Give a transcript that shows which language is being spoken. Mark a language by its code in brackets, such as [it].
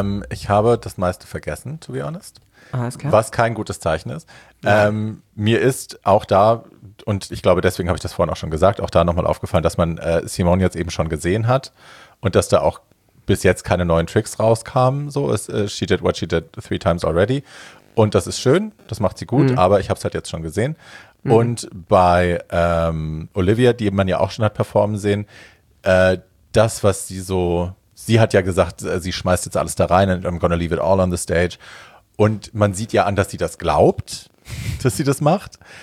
[de] Ich habe das meiste vergessen, [en] to be honest. [de] Alles klar. Was kein gutes Zeichen ist. Ja. Mir ist auch da, und ich glaube, deswegen habe ich das vorhin auch schon gesagt, auch da nochmal aufgefallen, dass man Simone jetzt eben schon gesehen hat und dass da auch bis jetzt keine neuen Tricks rauskamen. [en] So, she did what she did 3 times already. [de] Und das ist schön, das macht sie gut, aber ich habe es halt jetzt schon gesehen. Mhm. Und bei Olivia, die man ja auch schon hat performen sehen, das, was sie so, sie hat ja gesagt, sie schmeißt jetzt alles da rein und [en] I'm gonna leave it all on the stage. [de] Und man sieht ja an, dass sie das glaubt, dass sie das macht.